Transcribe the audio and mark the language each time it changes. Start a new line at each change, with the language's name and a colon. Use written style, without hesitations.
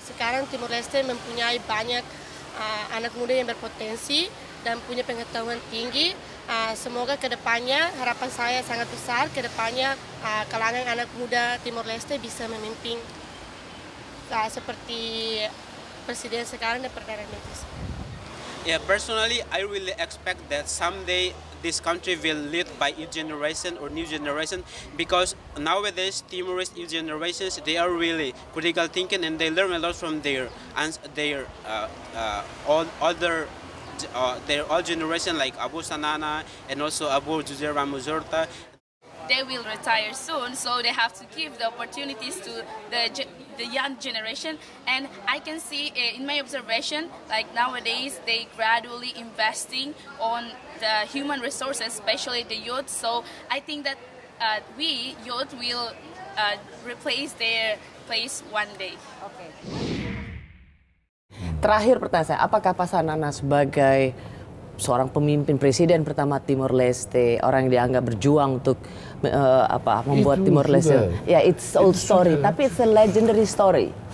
Indonesian: Sekarang Timor Leste mempunyai banyak anak muda yang berpotensi dan punya pengetahuan tinggi. Semoga kedepannya, harapan saya sangat besar, kedepannya kalangan anak muda Timor Leste bisa memimpin seperti presiden sekarang dan perdana menteri.
English: Yeah, personally, I really expect that someday this country will lead by a generation or new generation, because nowadays Timorese new generations, they are really critical thinking and they learn a lot from their old generation, like Abu Sanana and also Abu Juzera Muzorta. They will retire soon, so they have to give the opportunities to the young generation. And I can see in my observation, like nowadays, they gradually investing on the human resources, especially the youth. So I think that we youth will replace their place one day. Okay.
Indonesian: Terakhir pertanyaan saya, apakah Pak Sanana sebagai seorang pemimpin presiden pertama Timor Leste, orang yang dianggap berjuang untuk membuat itu Timor Leste?
English: Ya, it's old story,
Indonesian: tapi
English: it's a legendary story.